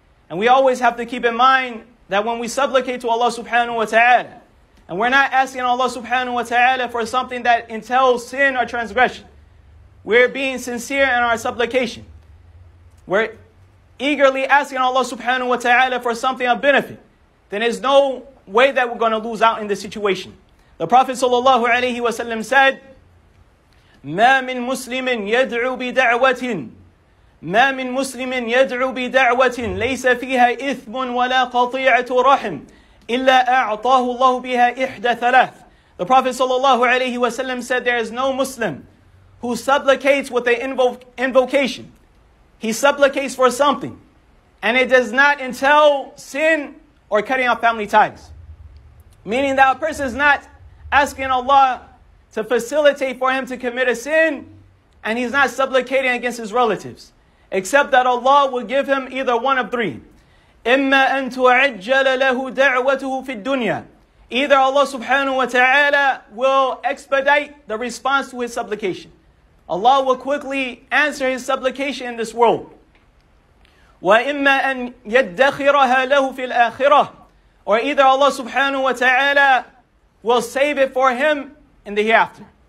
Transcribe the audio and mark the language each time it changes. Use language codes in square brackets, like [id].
[en] And we always have to keep in mind that when we supplicate to Allah subhanahu wa ta'ala, and we're not asking Allah subhanahu wa ta'ala for something that entails sin or transgression, we're being sincere in our supplication. We're eagerly asking Allah subhanahu wa ta'ala for something of benefit, then there's no way that we're going to lose out in this situation. The Prophet sallallahu alayhi wa sallam said, [ar] مَا مِن مُسْلِمٍ يَدْعُو بِدَعْوَةٍ مَا مِن مُسْلِمٍ يَدْعُو بِدَعْوَةٍ لَيْسَ فِيهَا إِثْمٌ وَلَا قَطِيعَةُ رَحِمٍ إِلَّا أَعْطَاهُ اللَّهُ بِهَا إِحْدَى ثَلَاثٍ. [en] The Prophet sallallahu alayhi wa sallam said, there is no Muslim who supplicates with an invocation. He supplicates for something, and it does not entail sin or cutting off family ties. Meaning that a person is not asking Allah to facilitate for him to commit a sin, and he's not supplicating against his relatives, except that Allah will give him either one of three. [ar] إِمَّا أَن تُعَجَّلَ لَهُ دَعْوَتُهُ فِي الدُّنْيَا. [en] Either Allah subhanahu wa ta'ala will expedite the response to his supplication. Allah will quickly answer his supplication in this world. [ar] وَإِمَّا أَن يَدَّخِرَهَا لَهُ فِي الْآخِرَةِ. [en] Or either Allah subhanahu wa ta'ala will save it for him in the hereafter.